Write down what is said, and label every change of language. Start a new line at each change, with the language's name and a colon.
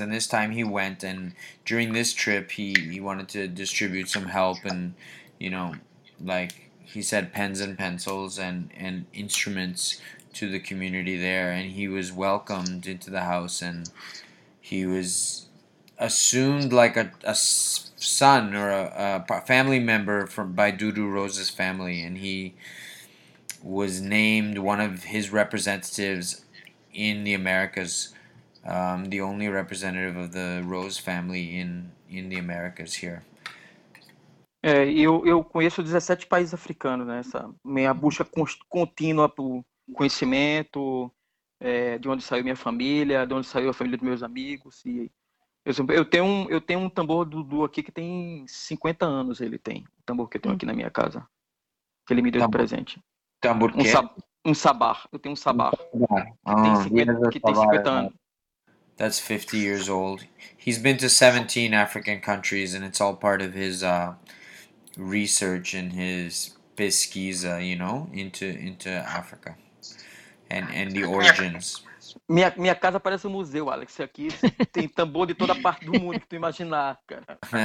English: And this time he went, and during this trip, he wanted to distribute some help and, you know, like he said, pens and pencils and instruments to the community there, and he was welcomed into the house, and he was assumed like a son or a family member by Dudu Rose's family, and he was named one of his representatives in the Americas, the only representative of the Rose family in the Americas here.
Portuguese: Eu conheço 17 países africanos, né? Essa minha busca contínua pro conhecimento, de onde saiu minha família, de onde saiu a família dos meus amigos. E eu tenho um tambor Dudu aqui que tem 50 anos, ele tem. O tambor que eu tenho aqui na minha casa. Que ele me deu de presente. Tambor quê? Um sabar. Eu tenho um sabar. Tem 50 anos.
English: That's 50 years old. He's been to 17 African countries and it's all part of his research and his pesquisa, you know, into Africa. and the origins.
Portuguese: Minha casa parece um museu, Alex. Aqui tem tambor de toda parte do mundo que tu imaginar, cara.